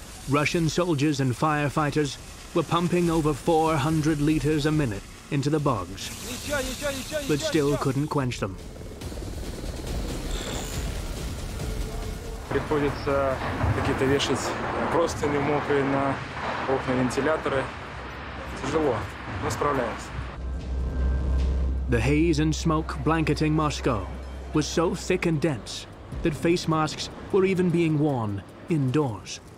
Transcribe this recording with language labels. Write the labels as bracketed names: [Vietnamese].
[English] Russian soldiers and firefighters were pumping over 400 liters a minute into the bogs, but still couldn't quench them. [Russian] Приходится какие-то вешать простыни мокрые на окна, вентиляторы. Тяжело, но справляемся. [English] The haze and smoke blanketing Moscow was so thick and dense that face masks were even being worn indoors.